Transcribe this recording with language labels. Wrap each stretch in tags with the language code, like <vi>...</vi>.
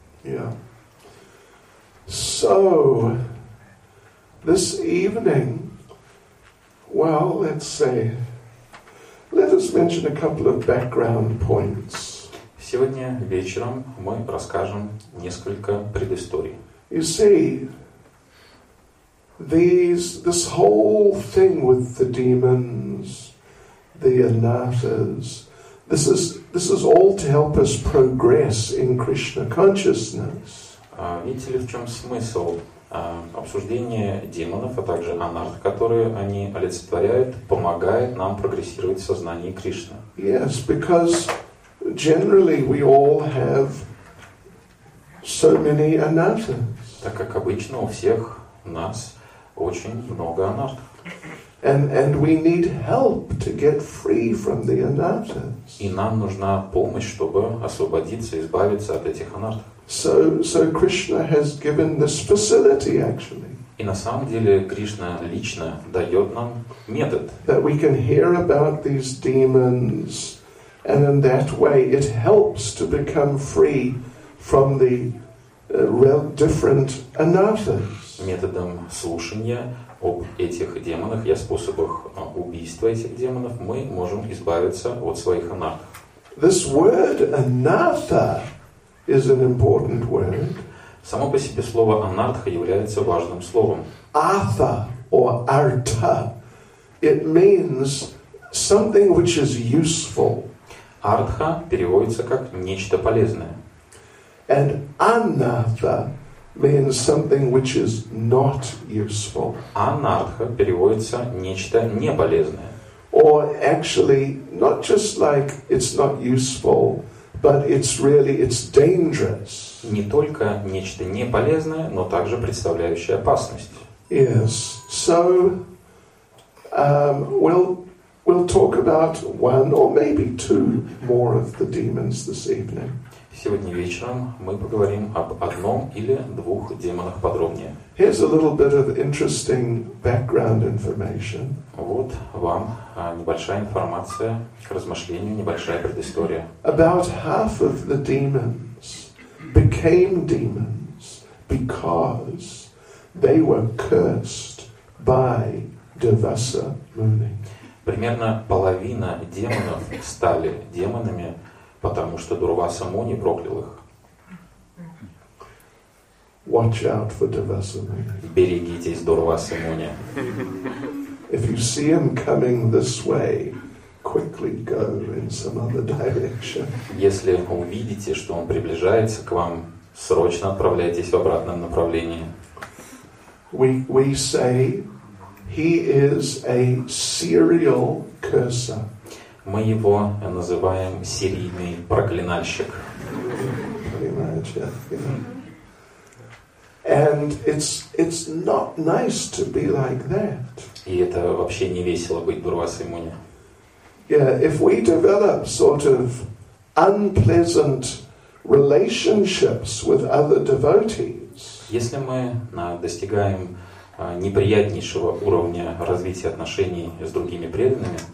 <en>Yeah. So, this evening, well, let's say, let us mention a couple of background points.</en> <ru>Сегодня вечером мы расскажем несколько предысторий.</ru> <en>You see, this whole thing with the demons, the anathas, this is all to help us progress in Krishna consciousness.</en> <ru>Видите ли, в чем смысл обсуждения демонов, а также анарх, которые они олицетворяют, помогает нам прогрессировать в сознании Кришны.</ru> <en>Yes, because generally we all have so many anathas.</en> <ru>Так как обычно у всех нас очень много анарх.</ru> <en>And we need help to get free from the anathas.</en> <ru>И нам нужна помощь, чтобы освободиться, избавиться от этих анарх.</ru> <en>So Krishna has given this facility actually.</en> <ru>И на самом деле Кришна лично дает нам метод.</ru> <en>That we can hear about these demons, and in that way it helps to become free from the different anathas.</en> <ru>Методом слушания об этих демонах и о способах убийства этих демонов мы можем избавиться от своих анарх.</ru> <en>This word anatha is an important word.</en> <ru>Само по себе слово анартха является важным словом.</ru> <en>Artha or artha, it means something which is useful.</en> <ru>Артха переводится как нечто полезное.</ru> <en>And anartha means something which is not useful.</en> <ru>Анартха переводится нечто не полезное.</ru> <en>Or actually, not just like it's not useful, but it's dangerous.</en> <ru>Не только нечто не полезное, но также представляющее опасность.</ru> <en>Yes. So, we'll talk about one or maybe two more of the demons this evening.</en> <ru>Сегодня вечером мы поговорим об одном или двух демонах подробнее.</ru> <en>Here's a little bit of interesting background information.</en> <ru>Вот вам небольшая информация к размышлению, небольшая предыстория.</ru> <en>About half of the demons became demons because they were cursed by Devasa Muni.</en> <ru>Примерно половина демонов стали демонами, потому что Дурваса Муни проклял их.</ru> <en>Watch out for Devasa Muni.</en> <ru>Берегитесь Дурваса Муни.</ru> <en>If you see him coming this way, quickly go in some other direction.</en> <ru>Если увидите, что он приближается к вам, срочно отправляйтесь в обратном направлении.</ru> <en>We say he is a serial curser.</en> <ru>Мы его называем серийный проклинальщик.</ru> <en>Pretty much, yeah. And it's not nice to be like that.</en> <ru>И это вообще не весело быть Дурвасой Муни.</ru> <en>Yeah, if we develop sort of unpleasant relationships with other devotees.</en> <ru>Если мы достигаем неприятнейшего уровня развития отношений с другими преданными.</ru>